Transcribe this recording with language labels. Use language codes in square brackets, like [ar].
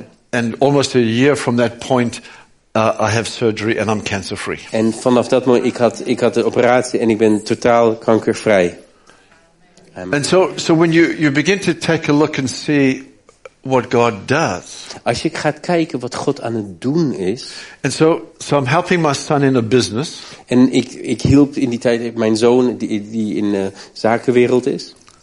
[en] And almost a year from that point, I have surgery and I'm cancer free. [nl] En vanaf dat moment ik had de operatie en ik ben totaal kankervrij. [en] And so when you begin to take a look and see what God does. [nl] Als je gaat kijken wat God aan het doen is. [en] And so I'm helping my son in a business. [nl] En ik hielp in die tijd mijn zoon die in de zakenwereld is.